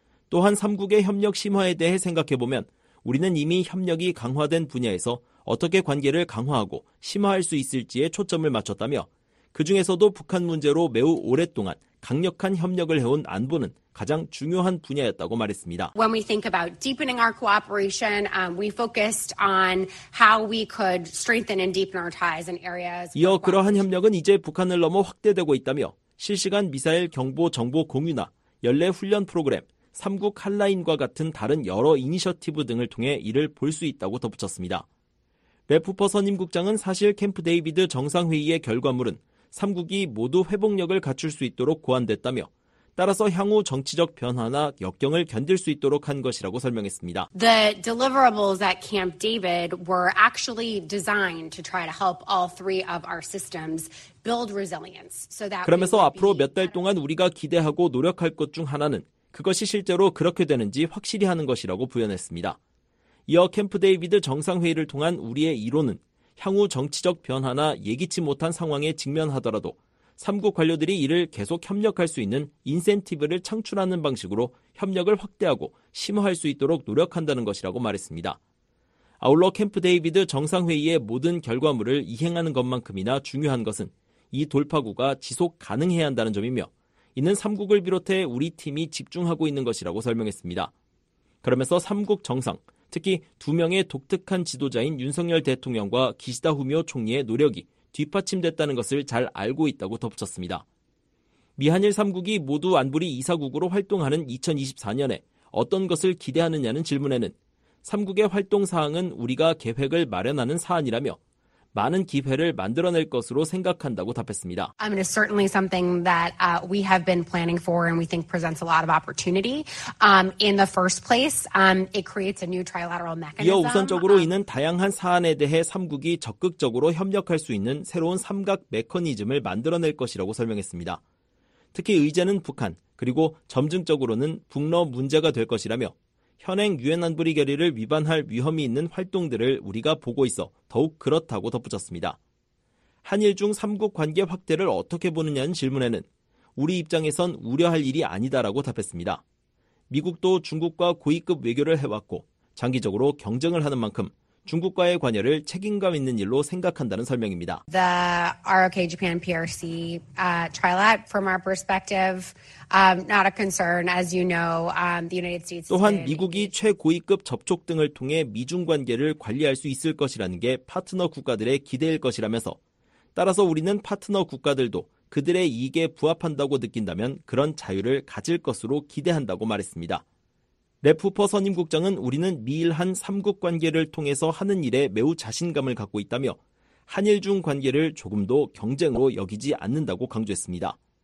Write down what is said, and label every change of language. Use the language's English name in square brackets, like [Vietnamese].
[Korean] 또한 3국의 협력 심화에 대해 생각해보면 우리는 이미 협력이 강화된 분야에서 어떻게 관계를 강화하고 심화할 수 있을지에 초점을 맞췄다며 그 중에서도 북한 문제로 매우 오랫동안 강력한 협력을 해온 안보는 가장 중요한 분야였다고 말했습니다. [English] When we think about deepening our cooperation, we focused on how we could strengthen and deepen our ties in areas. [Korean] 이어 그러한 협력은 이제 북한을 넘어 확대되고 있다며 실시간 미사일 경보 정보 공유나 연례 훈련 프로그램, 3국 한라인과 같은 다른 여러 이니셔티브 등을 통해 이를 볼 수 있다고 덧붙였습니다. 레프퍼 선임 국장은 사실 캠프 데이비드 정상회의의 결과물은 3국이 모두 회복력을 갖출 수 있도록 고안됐다며 따라서 향후 정치적 변화나 역경을 견딜 수 있도록 한 것이라고 설명했습니다. [English] The deliverables at Camp David were actually designed to try to help all three of our systems build resilience. [Korean] 그러면서 앞으로 몇 달 동안 우리가 기대하고 노력할 것 중 하나는 그것이 실제로 그렇게 되는지 확실히 하는 것이라고 부연했습니다. 이어 캠프 데이비드 정상회의를 통한 우리의 이론은 향후 정치적 변화나 예기치 못한 상황에 직면하더라도 3국 관료들이 이를 계속 협력할 수 있는 인센티브를 창출하는 방식으로 협력을 확대하고 심화할 수 있도록 노력한다는 것이라고 말했습니다. 아울러 캠프 데이비드 정상회의의 모든 결과물을 이행하는 것만큼이나 중요한 것은 이 돌파구가 지속 가능해야 한다는 점이며 이는 3국을 비롯해 우리 팀이 집중하고 있는 것이라고 설명했습니다. 그러면서 3국 정상, 특히 두 명의 독특한 지도자인 윤석열 대통령과 기시다 후미오 총리의 노력이 뒷받침됐다는 것을 잘 알고 있다고 덧붙였습니다. 미한일 3국이 모두 안보리 이사국으로 활동하는 2024년에 어떤 것을 기대하느냐는 질문에는 3국의 활동 사항은 우리가 계획을 마련하는 사안이라며 많은 기회를 만들어낼 것으로 생각한다고 답했습니다. [English] I mean, it's certainly something that we have been planning for and we think presents a lot of opportunity. In the first place, it creates a new trilateral mechanism. [Korean] 이어 우선적으로 이는 다양한 사안에 대해 3국이 적극적으로 협력할 수 있는 새로운 삼각 메커니즘을 만들어낼 것이라고 설명했습니다. 특히 의제는 북한, 그리고 점증적으로는 북러 문제가 될 것이라며 현행 유엔 안보리 결의를 위반할 위험이 있는 활동들을 우리가 보고 있어 더욱 그렇다고 덧붙였습니다. 한일 중 3국 관계 확대를 어떻게 보느냐는 질문에는 우리 입장에선 우려할 일이 아니다라고 답했습니다. 미국도 중국과 고위급 외교를 해왔고 장기적으로 경쟁을 하는 만큼 중국과의 관여를 책임감 있는 일로 생각한다는 설명입니다. [English] The ROK Japan PRC trilat from our perspective not a concern as you know the United States [Korean] 또한 미국이 최고위급 접촉 등을 통해 미중 관계를 관리할 수 있을 것이라는 게 파트너 국가들의 기대일 것이라면서 따라서 우리는 파트너 국가들도 그들의 이익에 부합한다고 느낀다면 그런 자유를 가질 것으로 기대한다고 말했습니다. 레프퍼 선임 국장은 우리는 미일한 3국 관계를 통해서 하는 일에 매우 자신감을 갖고 있다며 한일 중 관계를 조금도 경쟁으로 여기지 않는다고 강조했습니다.